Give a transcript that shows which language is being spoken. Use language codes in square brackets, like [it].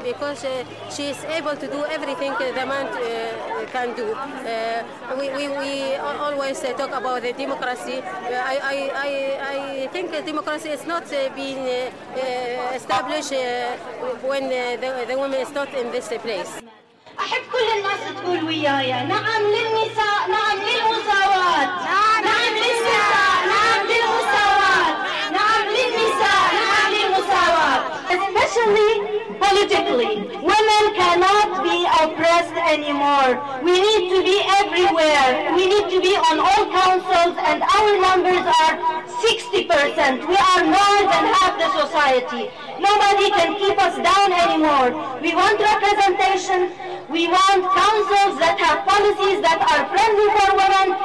[en] Because she is able to do everything the man can do. We always talk about the democracy. I think democracy is not being established when the woman is not in this place. [ar] أحب كل الناس تقول وياي نعم للنساء نعم للمساواة نعم للنساء نعم للمساواة نعم للنساء نعم للمساواة [en] especially politically. Women cannot be oppressed anymore. We need to be everywhere. We need to be on all councils, and our numbers are 60%. We are more than half the society. Nobody can keep us down anymore. We want representation. We want councils that have policies that are friendly for women.